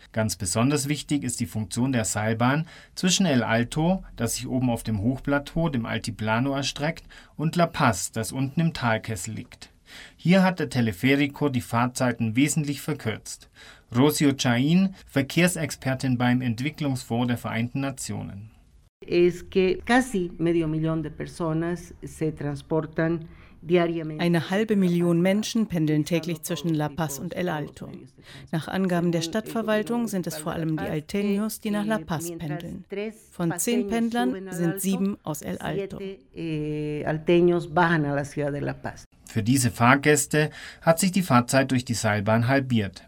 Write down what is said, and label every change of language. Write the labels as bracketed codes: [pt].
[de] Ganz besonders wichtig ist die Funktion der Seilbahn zwischen El Alto, das sich oben auf dem Hochplateau, dem Altiplano, erstreckt, und La Paz, das unten im Talkessel liegt. Hier hat der Teleferico die Fahrtzeiten wesentlich verkürzt. Rocío Chaín, Verkehrsexpertin beim Entwicklungsfonds der Vereinten Nationen. [es] Es que casi medio millón de personas se transportan. [de] Eine 500.000 Menschen pendeln täglich zwischen La Paz und El Alto. Nach Angaben der Stadtverwaltung sind es vor allem die Alteños, die nach La Paz pendeln. Von 10 Pendlern sind 7 aus El Alto. Für diese Fahrgäste hat sich die Fahrzeit durch die Seilbahn halbiert.